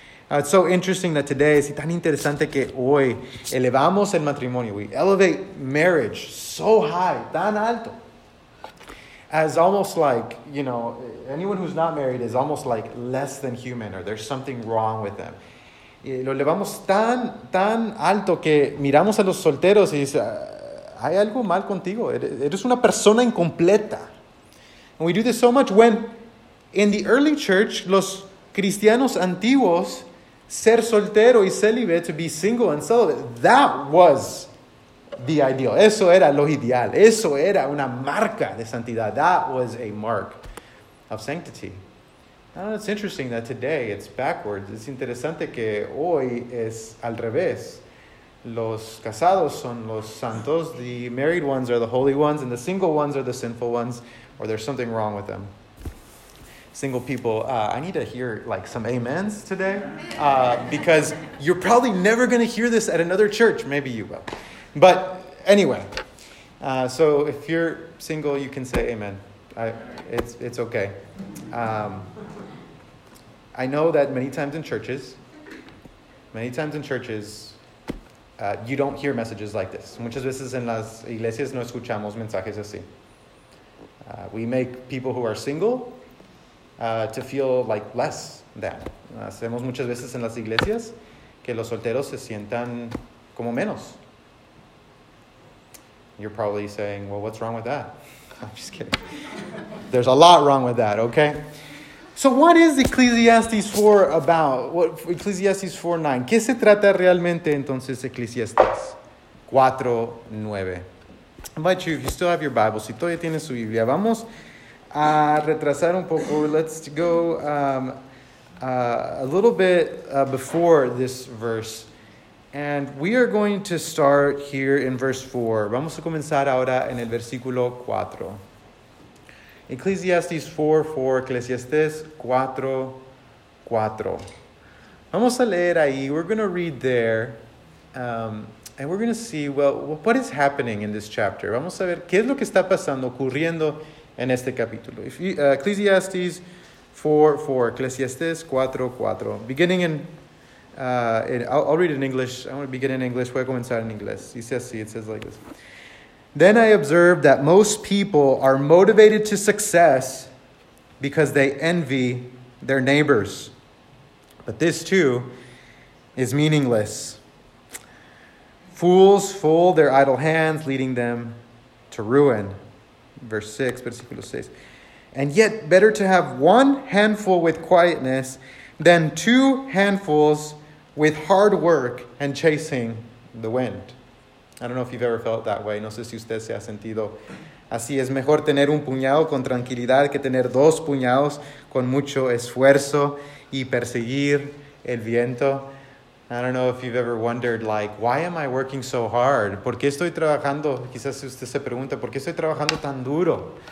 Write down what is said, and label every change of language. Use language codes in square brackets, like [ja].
[en] It's so interesting that today, [es] es tan interesante que hoy elevamos el matrimonio. [en] We elevate marriage so high, [es] tan alto. [en] As almost like, you know, anyone who's not married is almost like less than human, or there's something wrong with them. [es] Y lo elevamos tan, tan alto que miramos a los solteros y dice, hay algo mal contigo. Eres una persona incompleta. [en] And we do this so much when, in the early church, [es] los cristianos antiguos, ser soltero [en] y celibate, to be single and celibate, that was the ideal. [es] Eso era lo ideal. Eso era una marca de santidad. [en] That was a mark of sanctity. Now, it's interesting that today it's backwards. [es] Es interesante que hoy es al revés. Los casados son los santos. [en] The married ones are the holy ones. And the single ones are the sinful ones. Or there's something wrong with them. Single people, I need to hear like some amens today. Because you're probably never going to hear this at another church. Maybe you will. But anyway. So if you're single, you can say amen. It's okay. I know that many times in churches, you don't hear messages like this. Muchas veces en las iglesias no escuchamos mensajes así. We make people who are single to feel like less than. Hacemos muchas veces en las iglesias que los solteros se sientan como menos. You're probably saying, well, what's wrong with that? I'm just kidding. There's a lot wrong with that, okay? So what is Ecclesiastes 4 about? What, Ecclesiastes 4:9. [es] ¿Qué se trata realmente entonces Ecclesiastes 4:9? [en] I invite you, if you still have your Bible, [es] si todavía tienes su Biblia, vamos a retrasar un poco. [en] Let's go a little bit before this verse. And we are going to start here in verse 4. [es] Vamos a comenzar ahora en el versículo 4. Ecclesiastes 4:4, Ecclesiastes 4:4. Vamos a leer ahí. [en] We're going to read there. And we're going to see, well, what is happening in this chapter? [es] Vamos a ver qué es lo que está pasando, ocurriendo en este capítulo. [en] Ecclesiastes 4:4, Ecclesiastes 4:4. Beginning I'll read in English. I want to begin in English. [es] Voy a comenzar en inglés. Dice así, [en] it says like this. Then I observed that most people are motivated to success because they envy their neighbors. But this too is meaningless. Fools fold their idle hands, leading them to ruin. Verse 6, [es] versículo 6. [en] And yet better to have one handful with quietness than two handfuls with hard work and chasing the wind. I don't know if you've ever felt that way. [es] No sé si usted se ha sentido así. Es mejor tener un puñado con tranquilidad que tener dos puñados con mucho esfuerzo y perseguir el viento. [en] I don't know if you've ever wondered, like, why am I working so hard? [es] ¿Por qué estoy trabajando? Quizás usted se pregunta, ¿por qué estoy trabajando tan duro?